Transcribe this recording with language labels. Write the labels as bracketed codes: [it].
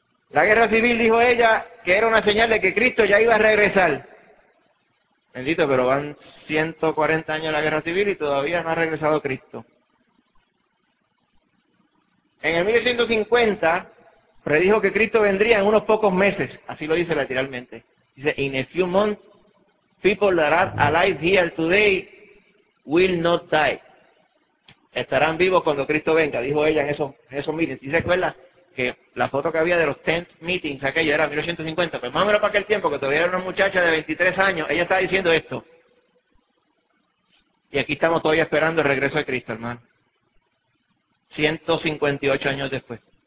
[es] La guerra civil, dijo ella, que era una señal de que Cristo ya iba a regresar. Bendito, pero van 140 años de la guerra civil y todavía no ha regresado Cristo. En el 1150, predijo que Cristo vendría en unos pocos meses. Así lo dice literalmente. Dice, [en] in a few months, people that are alive here today will not die. [es] Estarán vivos cuando Cristo venga, dijo ella en esos meetings. ¿Sí se acuerda que la foto que había de los 10 meetings aquello era 1850? Pues más o menos para aquel tiempo, que todavía era una muchacha de 23 años, ella estaba diciendo esto. Y aquí estamos todavía esperando el regreso de Cristo, hermano. 158 años después.